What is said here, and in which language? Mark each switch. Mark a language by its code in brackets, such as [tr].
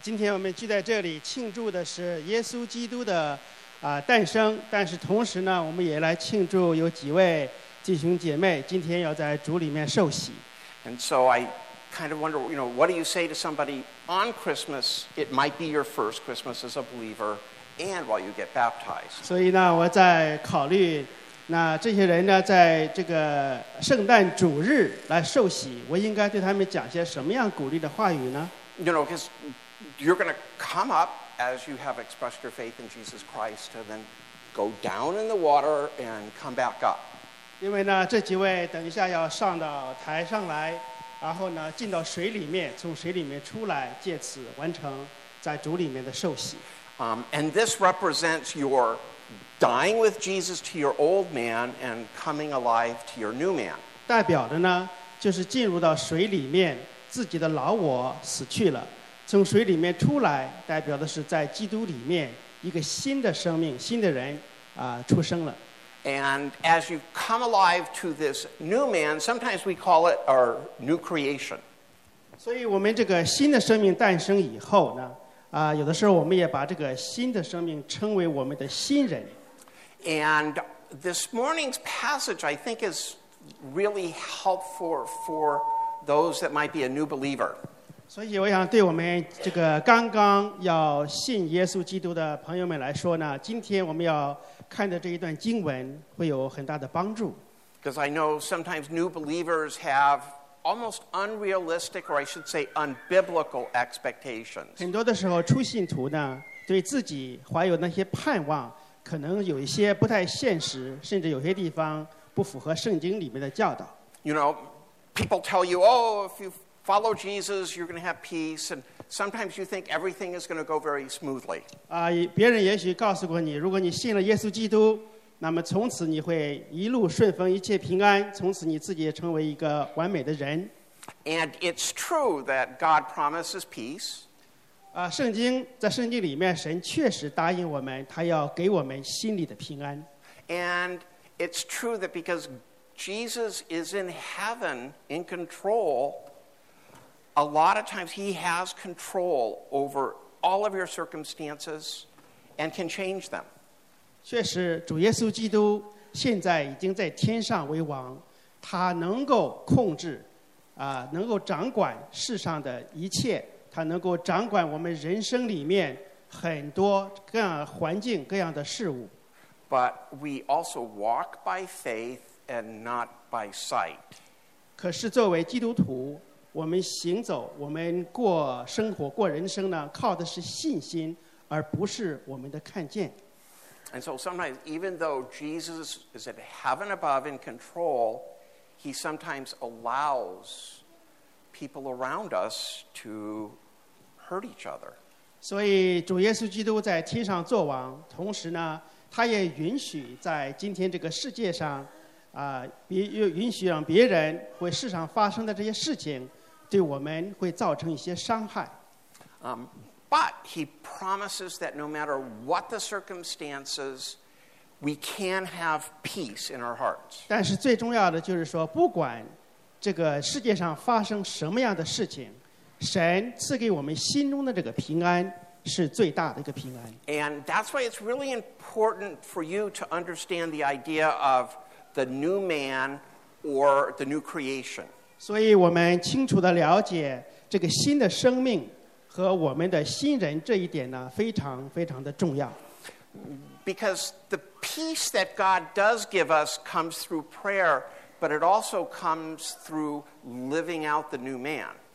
[zh] 今天我们聚在这里庆祝的是耶稣基督的诞生，但是同时呢，我们也来庆祝有几位弟兄姐妹今天要在主里面受洗。 [en] And so I kind of wonder, you know, what do you say to somebody on Christmas? It might be your first Christmas as a believer, and while you get baptized. [zh] 所以呢，我在考虑，那这些人呢，在这个圣诞主日来受洗，我应该对他们讲些什么样鼓励的话语呢？ [en] You know, because you're going to come up as you have expressed your faith in Jesus Christ, and then go down in the water and come back up. [zh] 因为呢，这几位等一下要上到台上来，然后呢，进到水里面，从水里面出来，借此完成在主里面的受洗。 [en] And this represents your dying with Jesus to your old man and coming alive to your new man. [zh] 代表的呢，就是进入到水里面。自己的老我死去了，从水里面出来，代表的是在基督里面一个新的生命，新的人出生了。 [en] And as you come alive to this new man, sometimes we call it our new creation. [zh] 所以我们这个新的生命诞生以后呢，有的时候我们也把这个新的生命称为我们的新人。 [en] And this morning's passage, I think, is really helpful for. Those that might be a new believer. [zh] 所以我想对我们这个刚刚要信耶稣基督的朋友们来说呢，今天我们要看的这一段经文会有很大的帮助。 [en] Because I know sometimes new believers have almost unrealistic, or I should say, unbiblical expectations. [zh] 很多的时候，初信徒呢，对自己怀有那些盼望，可能有一些不太现实，甚至有些地方不符合圣经里面的教导。 [en] You know. People tell you, oh, if you follow Jesus, you're going to have peace. And sometimes you think everything is going to go very smoothly. [zh] 别人也许告诉过你，如果你信了耶稣基督，那么从此你会一路顺风，一切平安，从此你自己也成为一个完美的人。 [en] And it's true that God promises peace. [zh] 圣经，在圣经里面，神确实答应我们，他要给我们心里的平安。 [en] And it's true that because Jesus is in heaven in control. A lot of times he has control over all of your circumstances and can change them. [zh] 确实，主耶稣基督现在已经在天上为王，他能够控制，能够掌管世上的一切，他能够掌管我们人生里面很多各样环境、各样的事物。 [en] But we also walk by faith. And not by sight. [zh] 可是作为基督徒，我们行走，我们过生活，过人生呢，靠的是信心，而不是我们的看见。 [en] And so sometimes, even though Jesus is at heaven above in control, he sometimes allows people around us to hurt each other. [zh] 所以主耶稣基督在天上作王，同时呢，他也允许在今天这个世界上。允许让别人会世上发生的这些事情对我们会造成一些伤害。 [en] But he promises that no matter what the circumstances, we can have peace in our hearts. [zh] 但是最重要的就是说，不管这个世界上发生什么样的事情，神赐给我们心中的这个平安是最大的一个平安。 [en] And that's why it's really important for you to understand the idea of the new man or the new creation. [zh] 所以我们清楚地了解这个新的生命和我们的新人这一点呢，非常非常的重要。 [en] Because the peace that God does give us comes through prayer, but it also comes through living out the new man.